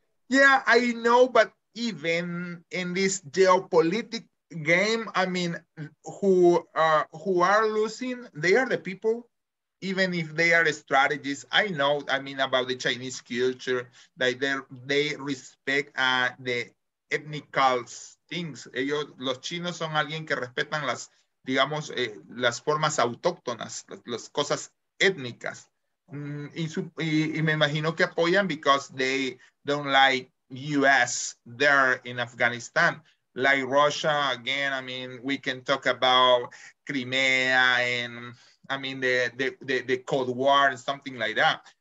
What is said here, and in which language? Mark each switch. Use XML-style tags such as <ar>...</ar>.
<en>Yeah, I know, but even in this geopolitic game, I mean, who are losing, they are the people, even if they are strategists. I know, I mean, about the Chinese culture, that they respect the ethnicals. Things.</en> <es>Ellos, los chinos son alguien que respetan las, digamos, las formas autóctonas, las cosas étnicas. Y me imagino que apoyan</es> <en>because they don't like US there in Afghanistan. Like Russia, again, I mean, we can talk about Crimea and, I mean, the Cold War and something like that.</en>